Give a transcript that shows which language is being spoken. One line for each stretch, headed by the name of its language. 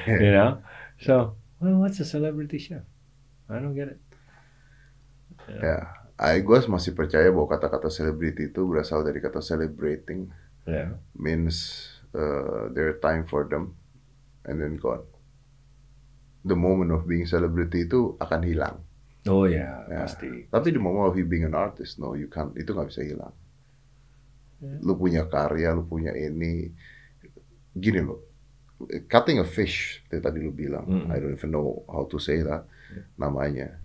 English: You know. So, well, what's a celebrity chef? I don't get it. Yeah.
Indonesian: Gua masih percaya bahwa kata-kata celebrity itu berasal dari kata celebrating.
English: Yeah. Means their time for them, and then gone. The moment of being celebrity
Indonesian: itu akan hilang.
English: Oh yeah, yeah.
Indonesian: Pasti. Tapi
English: the moment of you being an artist, no, you can't.
Indonesian: Itu nggak bisa hilang. Lu punya karya, lu punya ini. Gini loh,
English: cutting a fish,
Indonesian: tadi lu bilang,
English: I don't even know how to say that,
Indonesian: namanya.